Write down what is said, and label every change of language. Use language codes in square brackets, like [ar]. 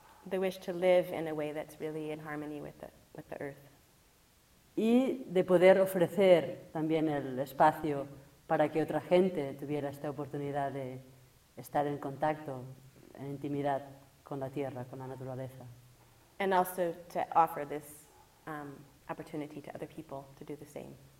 [en] The wish to live in a way that's really in harmony with the earth. [es] Y de poder ofrecer también el espacio para que otra gente tuviera esta oportunidad de estar en contacto, en intimidad con la tierra, con la naturaleza. [en] And also to offer this opportunity to other people to do the same.